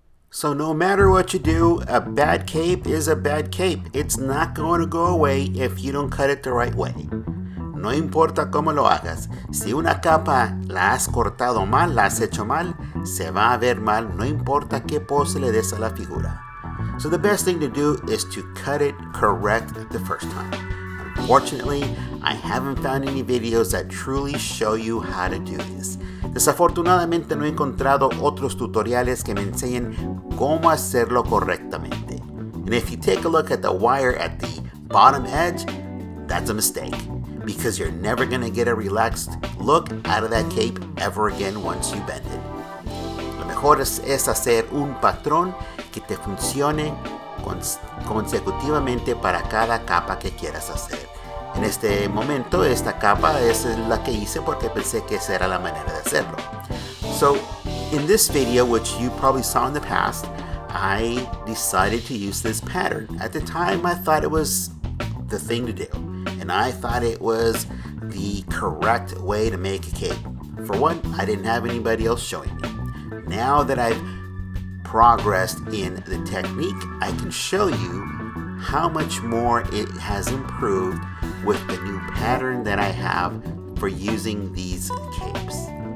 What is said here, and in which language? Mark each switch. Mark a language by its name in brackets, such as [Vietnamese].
[English] So no matter what you do, a bad cape is a bad cape. It's not going to go away if you don't cut it the right way. [Spanish] No importa cómo lo hagas, si una capa la has cortado mal, la has hecho mal, se va a ver mal, no importa qué pose le des a la figura. [English] So the best thing to do is to cut it correct the first time. Unfortunately, I haven't found any videos that truly show you how to do this. [Spanish] Desafortunadamente no he encontrado otros tutoriales que me enseñen cómo hacerlo correctamente. [English] And if you take a look at the wire at the bottom edge, that's a mistake, because you're never going to get a relaxed look out of that cape ever again once you bend it. [Spanish] Lo mejor es hacer un patrón que te funcione consecutivamente para cada capa que quieras hacer. En este momento, esta capa es la que hice porque pensé que esa era la manera de hacerlo. [English] So, in this video, which you probably saw in the past, I decided to use this pattern. At the time, I thought it was the thing to do, and I thought it was the correct way to make a cape. For one, I didn't have anybody else showing me. Now that I've progressed in the technique, I can show you how much more it has improved with the new pattern that I have for using these capes.